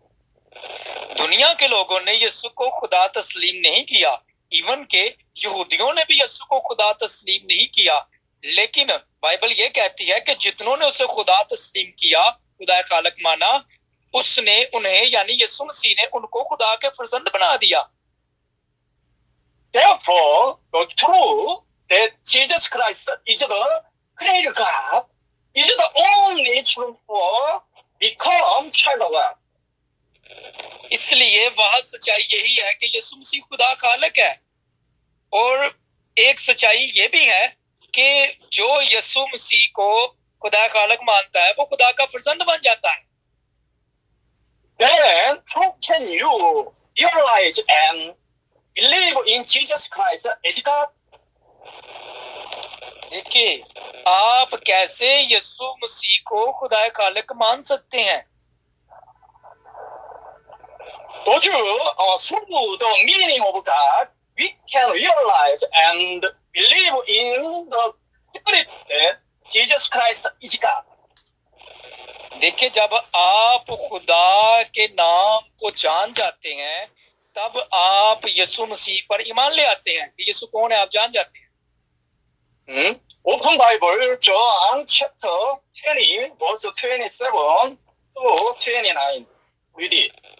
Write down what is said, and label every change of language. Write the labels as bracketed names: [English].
[Hindi] दुनिया के लोगों ने यीशु को खुदा तस्लीम नहीं किया, इवन के यहूदियों ने भी यीशु को खुदा तस्लीम नहीं किया, लेकिन बाइबल ये कहती है कि जितनों ने उसे खुदा तस्लीम किया, खुदा खालक माना, उसने उन्हें यानी यीशु मसीह ने उनको खुदा के फर्जंद बना दिया। [English] Therefore, the truth that Jesus Christ is the Creator God is the only truth for become child of God. [Hindi] इसलिए वह सच्चाई यही है कि यीशु मसीह खुदा खालक है, और एक सच्चाई ये भी है कि जो यीशु मसीह को खुदा खालक मानता है वो खुदा का फर्जंद बन जाता है। [English] Then how can you realize and believe in Jesus Christ as God? [Hindi] देखिए आप कैसे यीशु मसीह को खुदा खालक मान सकते हैं? तो जो [English] through the meaning of God, we can realize and believe in the spirit, Jesus Christ is God. [Hindi] देखिए जब आप खुदा के नाम को जान जाते हैं तब आप यीशु मसीह पर ईमान ले आते हैं कि यीशु कौन है आप जान जाते हैं। [English] Open Bible John chapter 20 verse 27 to 29 read it.